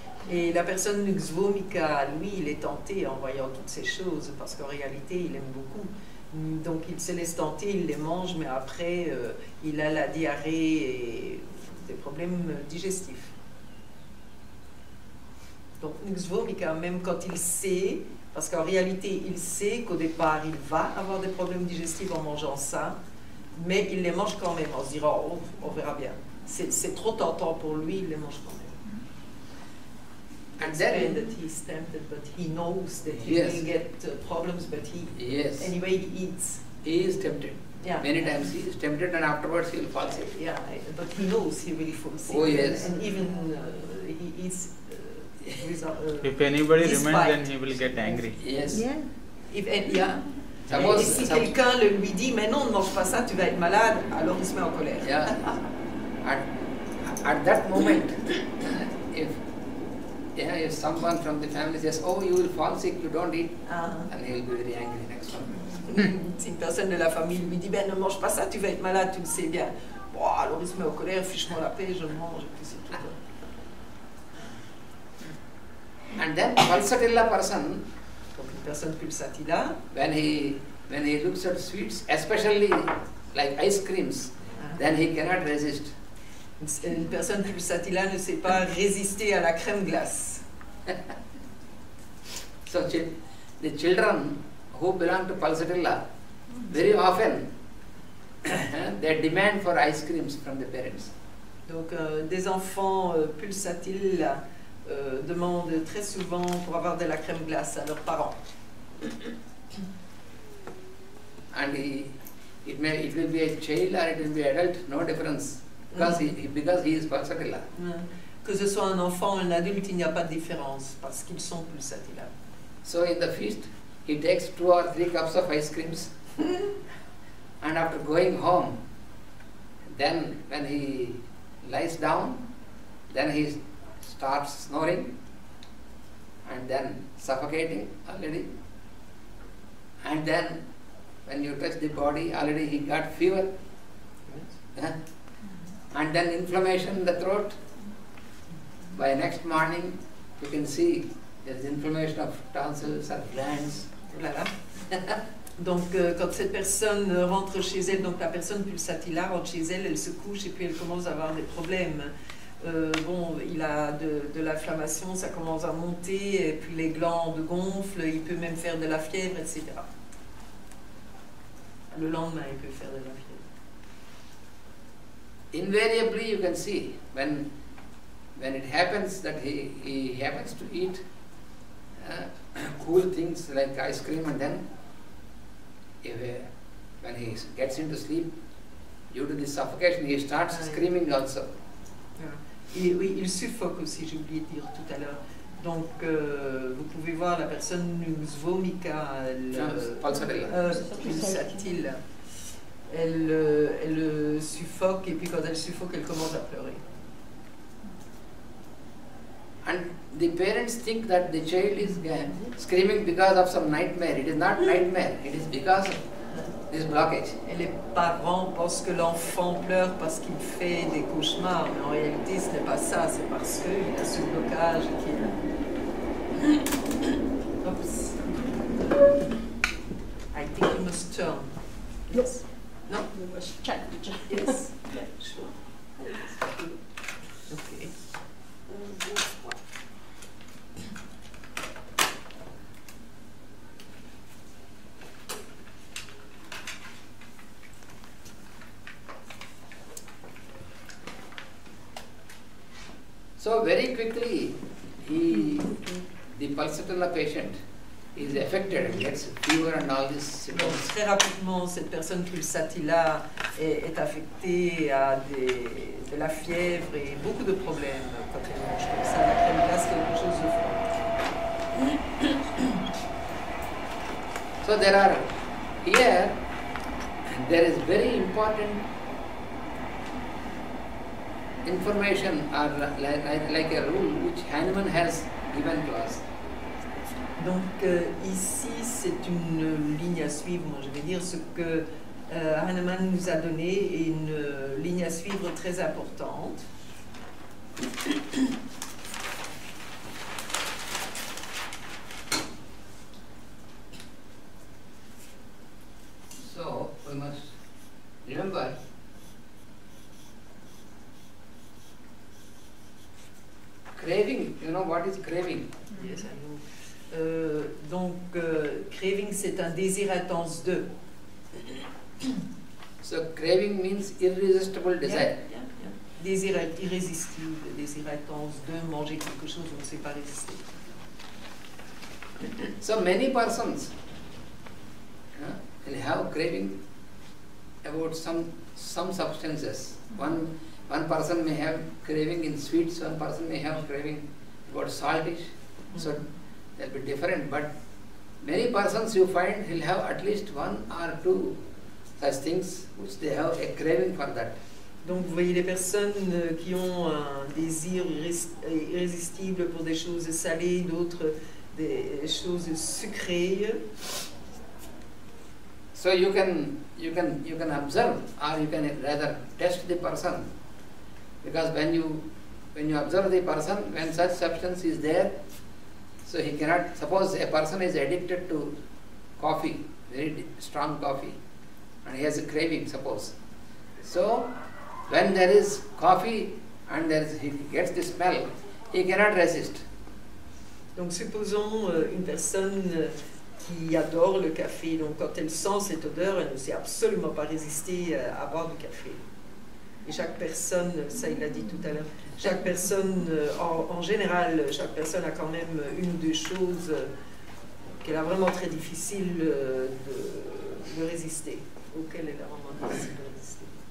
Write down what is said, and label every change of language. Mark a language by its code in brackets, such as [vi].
[fr] Et la personne nuxvomica, lui, il est tenté en voyant toutes ces choses, parce qu'en réalité, il aime beaucoup. Donc il se laisse tenter, il les mange, mais après, il a la diarrhée et des problèmes digestifs. Donc nuxvomica, même quand il sait, parce qu'en réalité, il sait qu'au départ, il va avoir des problèmes digestifs en mangeant ça, mais il les mange quand même, on se dira, on verra bien. C'est trop tentant pour lui, il les mange quand même. [en] And then that he's tempted, but he knows that he will get problems, but he anyway he eats. He is tempted. Yeah. Many times he is tempted, and afterwards he will fall sick. Yeah, but he knows he will fall sick. Oh yes. And even he eats. If anybody reminds, then he will get angry. Yes. Yeah. [fr] Et si quelqu'un lui dit, mais non, ne mange pas ça, tu vas être malade, alors il se met en colère. [en] Yeah. At that moment, if someone from the family says, oh, you will fall sick, you don't eat, and he will be very angry next time. [fr] Si une personne de la famille lui dit, ben ne mange pas ça, tu vas être malade, tu le sais bien. Bon, alors il se met en colère, fiche-moi la paix, je mange, et puis c'est tout. [en] And then, pulsatilla person, [fr] donc une personne pulsatilla, [en] when he looks at sweets, especially like ice creams, then he cannot resist. [fr] Une personne pulsatilla ne sait pas résister à la crème glace. [en] So the children who belong to pulsatilla, very often they demand for ice creams from the parents. [fr] Donc des enfants pulsatilla demandent très souvent pour avoir de la crème glace à leurs parents. [en] And it will be a child or it will be adult, no difference. Because he is pulsatilla. [fr] Que ce soit un enfant ou un adulte, il n'y a pas de différence parce qu'ils sont pulsatilla. [en] So in the feast, he takes two or three cups of ice creams, and after going home, then when he lies down, then he starts snoring, and then suffocating already, and then when you touch the body, already he got fever. Yes. And then inflammation in the throat. By next morning, you can see there is inflammation of tonsils and glands. [fr] Voilà. Donc, quand cette personne rentre chez elle, donc la personne pulsatilla rentre chez elle, elle se couche et puis elle commence à avoir des problèmes. bon, il a de l'inflammation, ça commence à monter, et puis les glandes gonflent, il peut même faire de la fièvre, etc. Le lendemain, il peut faire de la fièvre. [en] Invariably, you can see, when it happens that he happens to eat cool things like ice cream, and then when he gets into sleep, due to the suffocation, he starts screaming also. [fr] Et oui, il suffoque aussi, j'ai oublié de dire tout à l'heure. Donc, vous pouvez voir la personne nous vomica, elle suffoque, et puis quand elle suffoque, elle commence à pleurer. [en] And the parents think that the child is screaming because of some nightmare. It is not nightmare, it is because of this blockage. [fr] Et les parents pensent que l'enfant pleure parce qu'il fait des cauchemars, mais en réalité ce n'est pas ça, c'est parce qu'il a ce blocage qui est là. [en] Oops. I think you must turn. Yes. No? You must change. Yes. Yeah, sure. Okay. So very quickly, the pulsatilla patient is affected and gets fever and all these symptoms. [fr] Très rapidement, cette personne pulsatilla est affectée à de la fièvre et beaucoup de problèmes quand elle mange comme ça. La crème glace, quelque chose de fort. [en] So there is very important information or like a rule which Hahnemann has given to us. [fr] Donc ici c'est une ligne à suivre, moi je vais dire ce que Hahnemann nous a donné est une ligne à suivre très importante. [en] So we must remember. Craving, you know what is craving? Yes, I know. [fr] Craving, c'est un désir intense de. [en] So craving means irresistible desire. Yeah, yeah, yeah. [fr] Désir irrésistible, désir intense de manger quelque chose dont c'est pas résister. [en] So many persons have craving about some substances. One person may have craving in sweets, one person may have craving about saltish, so they'll be different. But many persons you find will have at least one or two such things which they have a craving for that. [fr] Donc vous voyez les personnes qui ont un désir irrésistible pour des choses salées, d'autres des choses sucrées. [en] So you can observe, or you can rather test the person. Because when you observe the person, when such substance is there, so he cannot, suppose a person is addicted to coffee, very strong coffee, and he has a craving, suppose. So when there is coffee and he gets the smell, he cannot resist. [fr] Donc supposons une personne qui adore le café, donc quand elle sent cette odeur, elle ne sait absolument pas résister à boire du café. Et chaque personne, ça il l'a dit tout à l'heure, chaque personne, en général, chaque personne a quand même une ou deux choses qu'elle a vraiment très difficile de résister, auxquelles elle a vraiment difficile de résister.